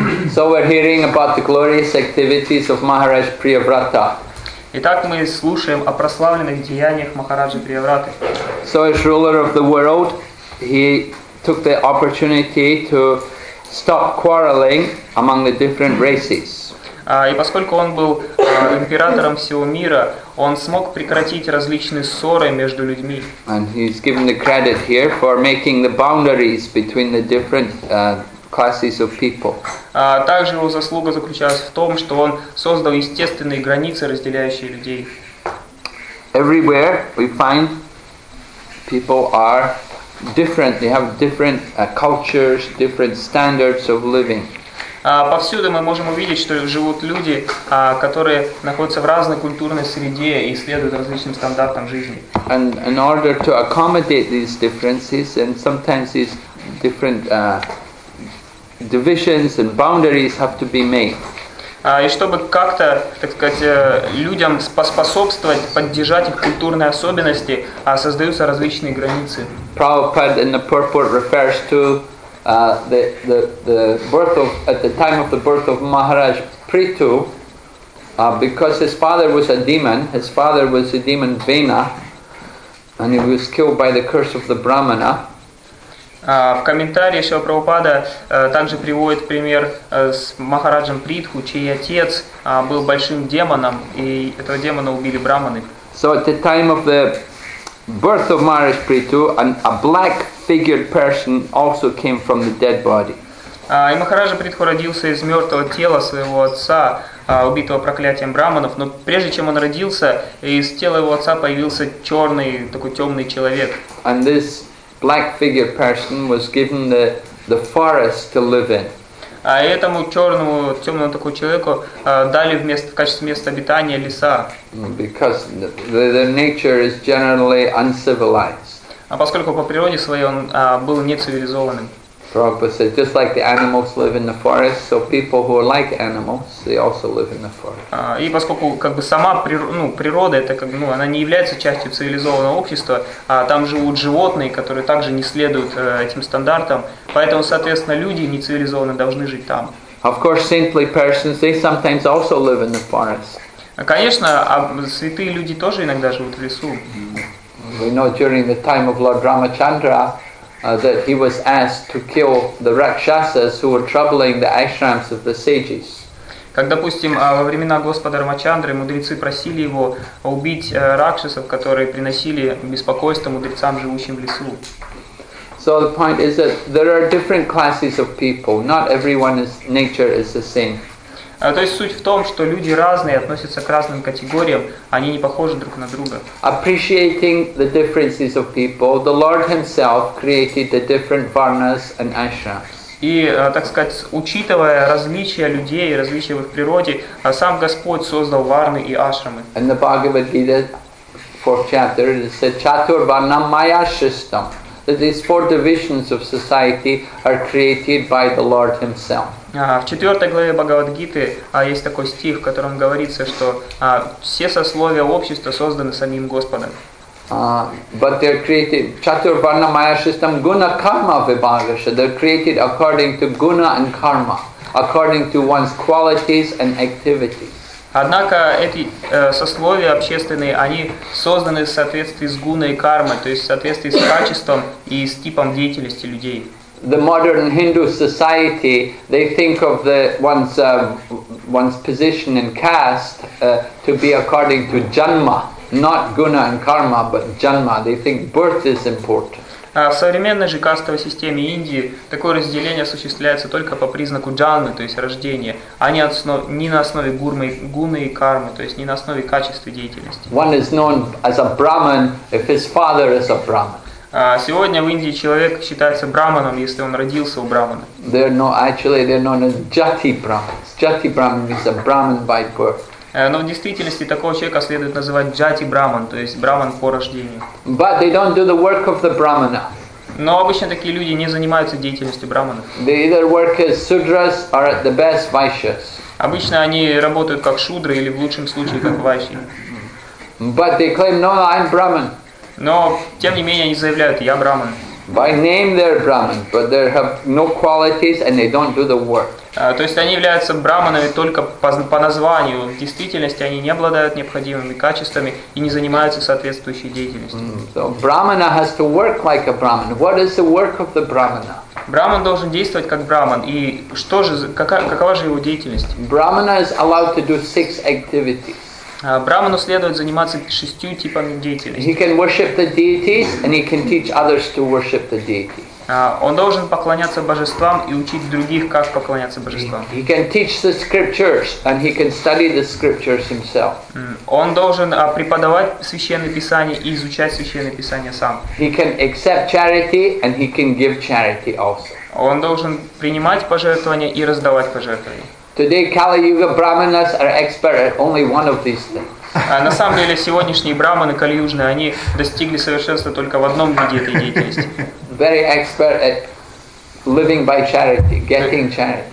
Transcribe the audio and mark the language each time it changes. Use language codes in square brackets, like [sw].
[en] So we're hearing about the glorious activities of Maharaj Priyavrata. [ru] Итак, мы слушаем о прославленных деяниях Махараджи Приявраты. [en] So as ruler of the world, he took the opportunity to stop quarreling among the different races. [ru] И поскольку он был императором всего мира, он смог прекратить различные ссоры между людьми. [en] And he's given the credit here for making the boundaries between the different classes of people. [ru] Также его заслуга заключалась в том, что он создал естественные границы, разделяющие людей. [en] Everywhere we find people are different. They have different cultures, different standards of living. [ru] Повсюду мы можем увидеть, что живут люди, которые находятся в разной культурной среде и следуют различным стандартам жизни. [en] And in order to accommodate these differences and sometimes these different divisions and boundaries have to be made. [ru] И чтобы как-то, так сказать, людям поспособствовать, поддержать их культурные особенности, создаются различные границы. [en] Prabhupada in the purport refers to the birth of at the time of the birth of Maharaj Prithu, because his father was a demon Vena, and he was killed by the curse of the Brahmana. [ru] В комментарии Шрила Прабхупада также приводит пример с Махараджем Притху, чей отец был большим демоном, и этого демона убили брахманы. [en] So at the time of the birth of Maharaj Prithu, a black figured person also came from the dead body. [ru] И Махараджа Притху родился из мертвого тела своего отца, убитого проклятием брахманов, но прежде чем он родился, из тела его отца появился черный, такой темный человек. [en] And this black figured person was given the forest to live in. [ru] А этому черному, темному такому человеку дали вместо, в качестве места обитания леса. [en] Because the nature is generally uncivilized. [ru] А поскольку по природе своей он был нецивилизованным. [en] Prabhupada said, just like the animals live in the forest, so people who are like animals, they also live in the forest. [ru] И поскольку как бы сама природа это как бы она не является частью цивилизованного общества, там живут животные, которые также не следуют этим стандартам, поэтому соответственно люди нецивилизованные должны жить там. [en] Of course, saintly persons they sometimes also live in the forest. [ru] Конечно, святые люди тоже иногда живут в лесу. [en] We know during the time of Lord Ramachandra. That he was asked to kill the rakshasas who were troubling the ashrams of the sages. [ru] Как, допустим, во времена Господа Рамачандры мудрецы просили его убить ракшасов, которые приносили беспокойство мудрецам, живущим в лесу. [en] So the point is that there are different classes of people. Not everyone's nature is the same. [ru] То есть суть в том, что люди разные, относятся к разным категориям, они не похожи друг на друга. [en] Appreciating the differences of people, the Lord himself created the different varnas and ashrams. [ru] И, так сказать, учитывая различия людей, различия в их природе, сам Господь создал варны и ашрамы. [en] In the Bhagavad Gita, 4th chapter, it says, [sa] Chatur Varna Maya Shistam. [en] That these four divisions of society are created by the Lord himself. [ru] В 4 главе Бхагавад-гиты есть такой стих, в котором говорится, что все сословия общества созданы самим Господом. [en] But they're created [sa] Chaturvarna Maya Shistam Guna Karma Vibhagasha. [en] They're created according to guna and karma, according to one's qualities and activities. [ru] Однако эти сословия общественные, они созданы в соответствии с гуной и кармой, то есть в соответствии с качеством и с типом деятельности людей. [en] The modern Hindu society, they think of the one's position in caste to be according to janma, not guna and karma, but janma. They think birth is important. [ru] В современной же кастовой системе Индии такое разделение осуществляется только по признаку джанмы, то есть рождения, а не на основе гуны и кармы, то есть не на основе качества деятельности. [en] One is known as a brahman if his father is a brahman. [ru] Сегодня в Индии человек считается брахманом, если он родился у брахмана. [en] They're known as jati brahmans. Jati brahman means a brahman by birth. [ru] Но в действительности такого человека следует называть jati brahman, то есть брахман по рождению. [en] But they don't do the work of the brahmana. [ru] Но обычно такие люди не занимаются деятельностью брахманов. [en] They either work as sudras or at the best vaishyas. [ru] Обычно они работают как шудры или в лучшем случае как вайши. [en] But they claim, no, I'm brahman. [ru] Но, тем не менее, они заявляют, я браман. [en] By name they're Brahmins, but they have no qualities and they don't do the work. [ru] То есть они являются брахманами только по названию. В действительности они не обладают необходимыми качествами и не занимаются соответствующей деятельностью. [en] So brahmana has to work like a brahman. What is the work of the brahmana? [ru] Брахман должен действовать как брахман. И что же, какова же его деятельность? [en] Brahmana is allowed to do six activities. [ru] Брахману следует заниматься шестью типами деятельности. [en] He can worship the deities and he can teach others to worship the deities. [ru] Он должен поклоняться божествам и учить других, как поклоняться божествам. [en] He can teach the scriptures and he can study the scriptures himself. [ru] Он должен преподавать священное писание и изучать священное писание сам. [en] He can accept charity and he can give charity also. [ru] Он должен принимать пожертвования и раздавать пожертвования. [en] Today Kali Yuga Brahmanas are expert at only one of these things. [ru] На самом деле сегодняшние брахманы калиюжные, они достигли совершенства только в одном виде этой деятельности. [en] Very expert at living by charity, getting charity.